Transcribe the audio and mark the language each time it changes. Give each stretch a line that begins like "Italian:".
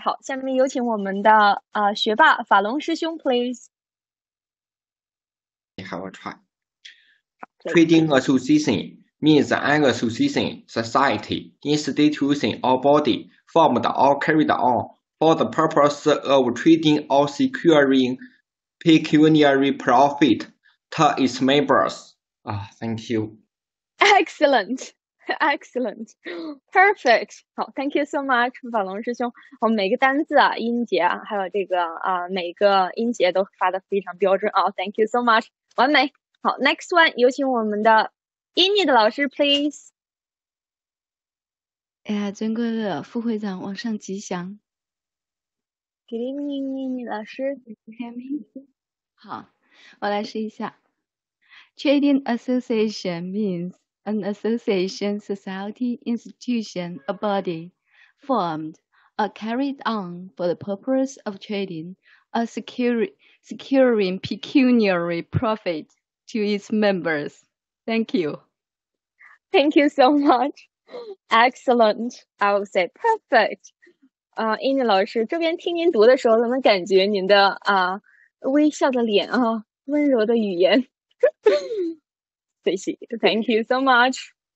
Chinese: 好，下面有请我们的学霸法龙师兄，
English: please.
Chinese: 好，我
English: try。 Please. Trading association means an association, society, institution or body formed or carried on for the purpose of trading or securing pecuniary profit to its members. Thank you. Excellent, excellent, perfect. 好，Thank you so much，法龙师兄。
Chinese: 我每个单字啊、音节啊，还有这个啊、每个音节都发的非常标准啊。
English: Thank you so much，
Chinese: 完美。好，
English: next one，
Chinese: 有请我们的 Ini 的老师，
English: please。
Chinese: 哎呀，尊贵的副会长，晚上吉祥。
English: Good evening，Ini 老师。
Chinese: 好，我来试一下。
English: Trading association means an association, society, institution, a body formed or carried on for the purpose of trading or securing pecuniary profit to its members. Thank you. Thank you so much. Excellent. I would say perfect.
Chinese: 英语老师，这边听您读的时候，能感觉您的微笑的脸啊，温柔的语言。谢 谢，
English: Thank you so much.